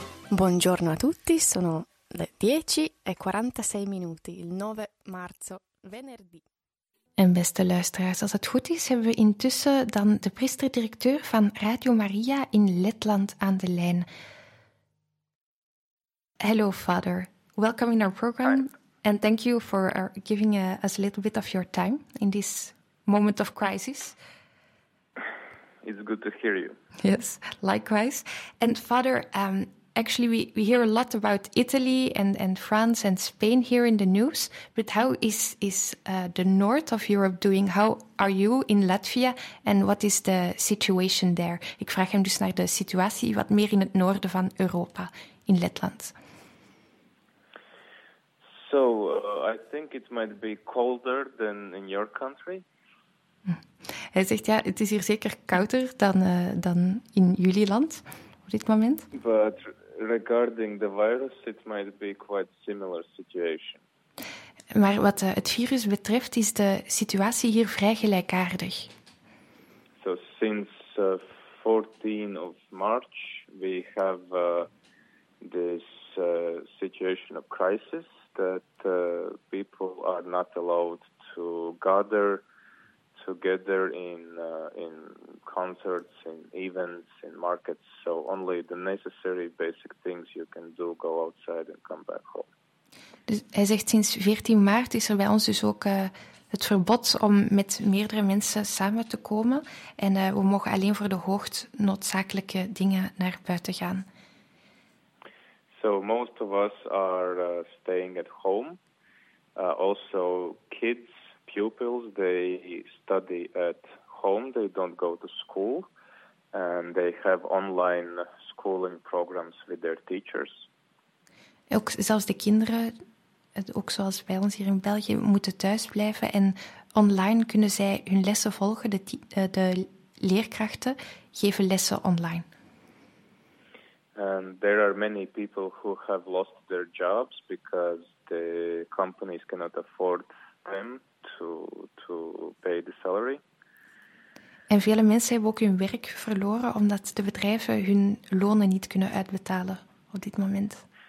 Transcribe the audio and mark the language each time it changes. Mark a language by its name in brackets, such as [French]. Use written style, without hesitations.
[Italian] Buongiorno a tutti, sono le 10:46 minuti, il 9 marzo, venerdì. [Dutch] En beste luisteraars, als het goed is, hebben we intussen dan de priester-directeur van Radio Maria in Letland aan de lijn. [English] Hello, Father. Welcome in our program. And thank you for giving us a little bit of your time in this moment of crisis. It's good to hear you. Yes, likewise. And Father, actually, we hear a lot about Italy and France and Spain here in the news. But how is the north of Europe doing? How are you in Latvia? And what is the situation there? [Dutch] Ik vraag hem dus naar de situatie wat meer in het noorden van Europa, in Letland. [English] So, I think it might be colder than in your country. [Dutch] Hij zegt, ja, het is hier zeker kouder dan in jullie land op dit moment. [English] But regarding the virus, it might be quite similar situation. [Dutch] Maar wat het virus betreft, is de situatie hier vrij gelijkaardig. [English] So, since 14 of March, we have this situation of crisis that people are not allowed to gather together in concerts, in events, in markets. So only the necessary basic things you can do, go outside and come back home. [Dutch] Dus hij zegt sinds 14 maart is er bij ons dus ook het verbod om met meerdere mensen samen te komen. En we mogen alleen voor de hoogst noodzakelijke dingen naar buiten gaan. [English] So most of us are staying at home. Also kids, pupils, they study at home. They don't go to school. And they have online schooling programs with their teachers. [Dutch] Ook zelfs de kinderen, ook zoals bij ons hier in België, moeten thuis blijven. En online kunnen zij hun lessen volgen. De leerkrachten geven lessen online. [English] And there are many people who have lost their jobs because the companies cannot afford them to pay the salary. [Dutch] En vele mensen hebben ook hun werk verloren omdat de bedrijven hun lonen niet kunnen uitbetalen op dit moment.